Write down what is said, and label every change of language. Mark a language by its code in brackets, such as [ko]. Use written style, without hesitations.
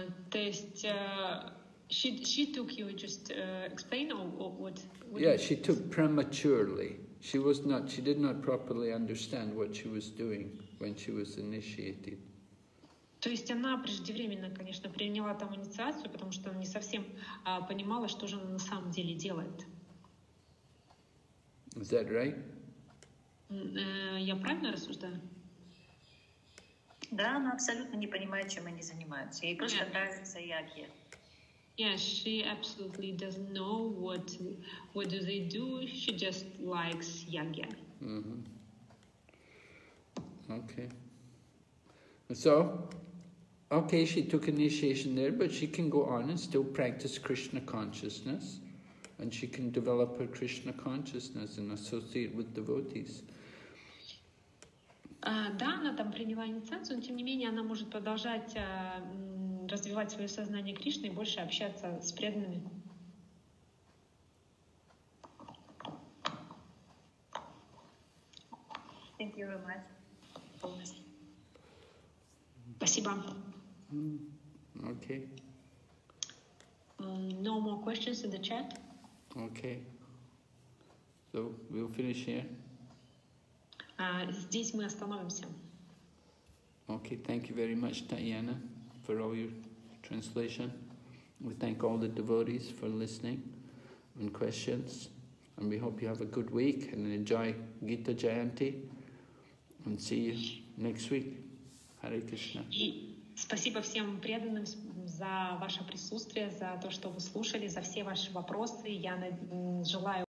[ru] То есть, [en] she took, you just explain or what? Yeah, she took prematurely. She did not properly understand what she was doing when she was initiated. [ru] То есть она преждевременно, конечно, приняла там инициацию, потому что она не совсем понимала, что же она на самом деле делает. [en] Is that right? [ru] Я правильно рассуждаю? Да, она абсолютно не понимает, чем они занимаются. Ей просто нравится яги. [en] Yeah, she absolutely doesn't know what do they do. She just likes yagi. Mm-hmm. Okay. So, okay, she took initiation there, but she can go on and still practice Krishna consciousness. and she can develop her Krishna consciousness and associate with devotees. [ru] Да, она там приняла инициацию, но тем не менее она может продолжать развивать свое сознание Кришны и больше общаться с преданными. [en] Thank you very much. [ru] Спасибо. [en] Okay. No more questions in the chat. Okay. So we'll finish here. [ru] Здесь мы остановимся. [en] Okay, thank you very much, Tatiana, for all your translation. We thank all the devotees for listening and questions. And we hope you have a good week and enjoy Gita Jayanti. And see you next week. Hare Krishna. [ru] Спасибо всем преданным за ваше присутствие, за то, что вы слушали, за все ваши вопросы. Я желаю